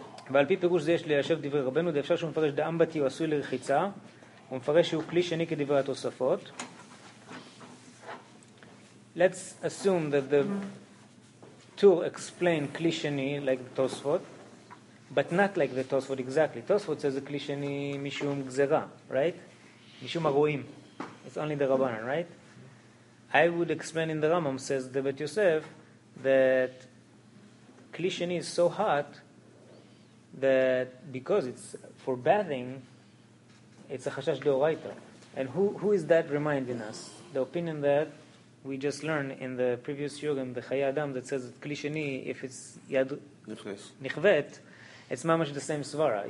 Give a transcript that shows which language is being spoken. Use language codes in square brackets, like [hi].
[he] ועל פי פירוש זה יש ליישב דברי רבנו, ואפשר שהוא מפרש דאמבטי הוא עשוי לרחיצה, הוא מפרש שהוא כלי שני כדברי התוספות. [en] Let's assume that the tour explain כלי שני like the תוספות, but not like the תוספות exactly. תוספות says [he] כלי שני משום גזרה, [en] right? [he] משום הרועים. [en] It's only the רבנן, right? I would explain in the Rambam, says the Bet Yosef, that כלי שני is so hot that because it's for bathing, it's a chashash deoraita. And who is that reminding us? The opinion that we just learned in the previous shiurim, the Chaye Adam, that says that kli sheni, if it's yad nichvet, it's mamash the same svara.